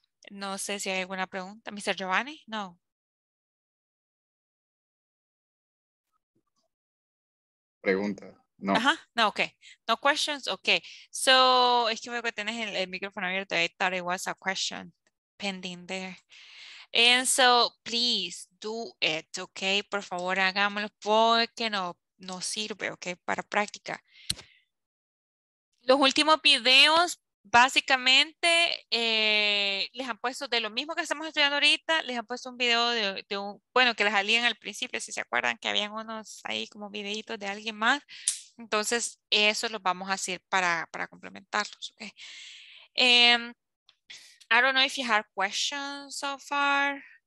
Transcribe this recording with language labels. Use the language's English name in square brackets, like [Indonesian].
[Spanish] No sé si hay alguna pregunta. Mr. Giovanni, no. Pregunta. No. [English] Ajá, no, ok. No questions, ok. [Spanish] So, es que veo que tienes el micrófono abierto. [English] I thought it was a question pending there. And so, please do it, ok. [Spanish] Por favor, hagámoslo porque no sirve, ok, para práctica. Los últimos videos, básicamente, les han puesto de lo mismo que estamos estudiando ahorita, les han puesto un video de un, que les salían al principio, si se acuerdan, que habían unos ahí como videitos de alguien más. Entonces, eso lo vamos a hacer para complementarlos, ¿ok? [English] I don't know if you have questions so far.